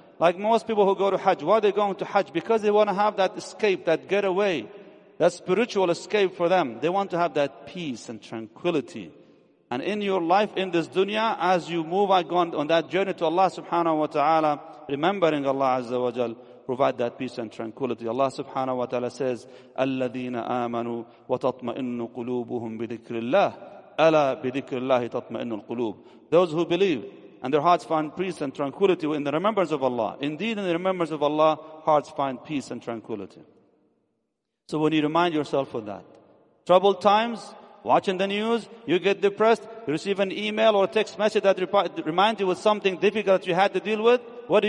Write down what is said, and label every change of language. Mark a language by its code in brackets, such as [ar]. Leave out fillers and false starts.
[en] Like most people who go to Hajj, why are they going to Hajj? Because they want to have that escape, that getaway, that spiritual escape for them. They want to have that peace and tranquility. And in your life, in this dunya, as you move on that journey to Allah subhanahu wa ta'ala, remembering Allah azza wa jal, provide that peace and tranquility. [ar] Allah subhanahu wa ta'ala says, أَلَّذِينَ آمَنُوا وَتَطْمَئِنُّ قُلُوبُهُمْ بِذِكْرِ اللَّهِ أَلَا بِذِكْرِ اللَّهِ تَطْمَئِنُّ الْقُلُوبِ. [en] Those who believe and their hearts find peace and tranquility in the remembrance of Allah. Indeed, in the remembrance of Allah, hearts find peace and tranquility. So when you remind yourself of that, troubled times, watching the news, you get depressed, you receive an email or a text message that reminds you of something difficult that you had to deal with, what do?